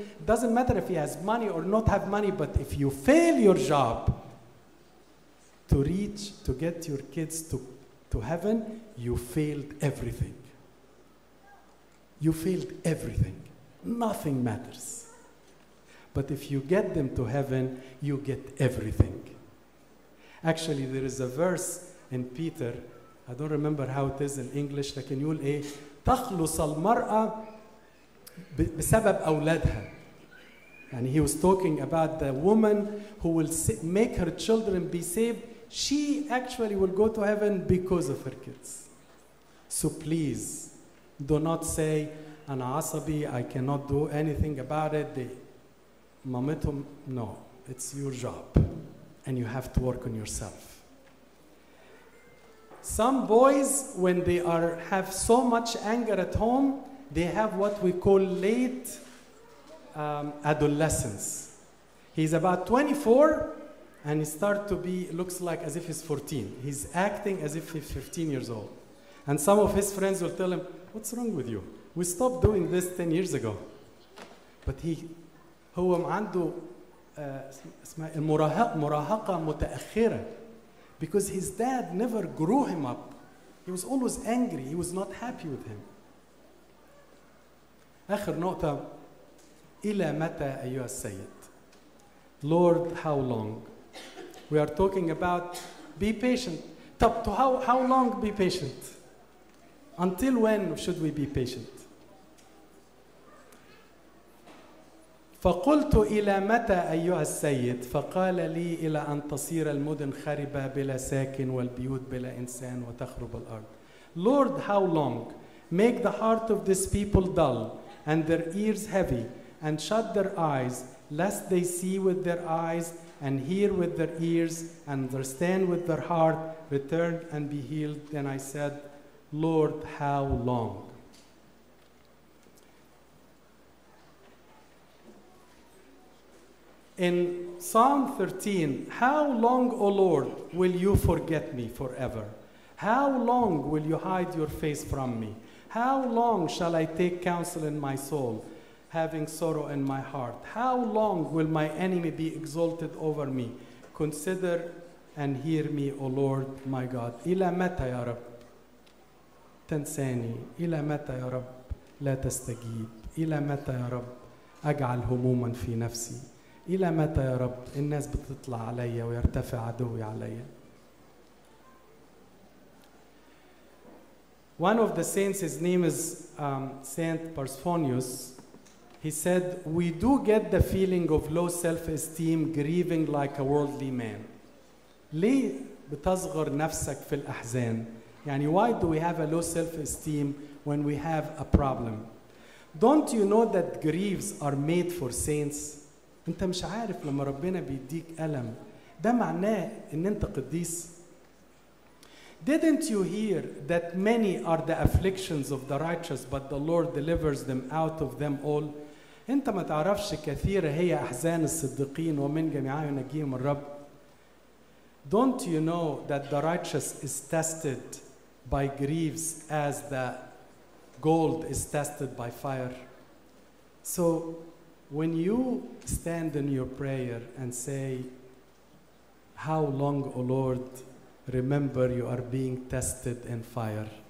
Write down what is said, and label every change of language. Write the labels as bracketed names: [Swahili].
[English] It doesn't matter if he has money or not have money. But if you fail your job to get your kids to heaven, you failed everything. You failed everything. Nothing matters. But if you get them to heaven, you get everything. Actually, there is a verse in Peter. I don't remember how it is in English. [Arabic] لكن يقول إيه؟ تخلص المرأة بسبب أولادها. [English] And he was talking about the woman who will make her children be saved. She actually will go to heaven because of her kids. So please, do not say, [Arabic] أنا عصبي, [English] I cannot do anything about it. [Arabic] مامتهم, [English] no, it's your job. And you have to work on yourself. Some boys, when they have so much anger at home, they have what we call late adolescence. He's about 24, and he starts to be, looks like as if he's 14. He's acting as if he's 15 years old. And some of his friends will tell him, what's wrong with you? We stopped doing this 10 years ago. But he, [Arabic] هو عنده اسمها المراهقة متأخرة. [English] Because his dad never grew him up. He was always angry. He was not happy with him. [Arabic] آخر نقطة. إلى متى أيها السيد? [English] Lord, how long? We are talking about be patient. طب to how long be patient? Until when should we be patient? [Arabic] فقلت إلى متى أيها السيد فقال لي إلى أن تصير المدن خربة بلا ساكن والبيوت بلا إنسان وتخرب الأرض. [English] Lord, how long? Make the heart of this people dull and their ears heavy and shut their eyes lest they see with their eyes and hear with their ears and understand with their heart, return and be healed. Then I said, Lord, how long? إيه In Psalm 13, how long, O Lord, will you forget me forever? How long will you hide your face from me? How long shall I take counsel in my soul, having sorrow in my heart? How long will my enemy be exalted over me? Consider and hear me, O Lord, my God. [Arabic] إلى متى يا رب تنساني؟ إلى متى يا رب لا تستجيب؟ إلى متى يا رب أجعل هموما في نفسي؟ إلى متى يا رب الناس بتطلع علي ويرتفع عدوي علي؟ [English] One of the saints, his name is Saint Parsifonius, he said, we do get the feeling of low self-esteem grieving like a worldly man. [Arabic] ليه بتصغر نفسك في الأحزان؟ يعني [English] why do we have a low self-esteem when we have a problem? Don't you know that griefs are made for saints? [Arabic] انت مش عارف لما ربنا بيديك ألم ده معناه ان انت قديس. [English] Didn't you hear that many are the afflictions of the righteous, but the Lord delivers them out of them all? [Arabic] انت ما تعرفش كثيرة هي أحزان الصديقين ومن جميعها ينجيهم الرب. [English] Don't you know that the righteous is tested by griefs as the gold is tested by fire? So when you stand in your prayer and say, how long, O Lord, remember you are being tested in fire.